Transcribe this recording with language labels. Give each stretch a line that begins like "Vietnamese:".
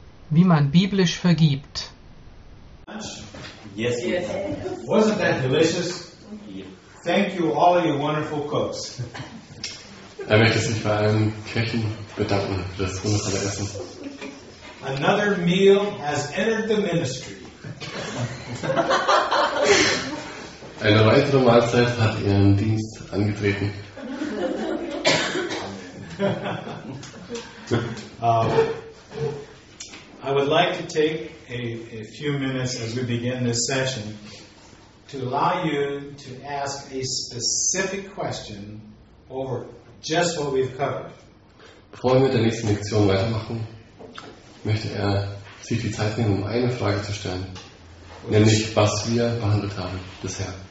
German: Wie man biblisch vergibt.
English: Yes, yes. Wasn't that delicious? Thank you, all you wonderful cooks.
German: Er möchte sich bei allen Köchen bedanken für das wunderbare Essen.
English: Another meal has entered the ministry.
German: Eine weitere Mahlzeit hat ihren Dienst angetreten.
English: I would like to take a few minutes as we begin this session to allow you to ask a specific question over just what we've covered.
German: Bevor wir mit der nächsten Lektion weitermachen, möchte er sich die Zeit nehmen, um eine Frage zu stellen, nämlich was wir behandelt haben bisher.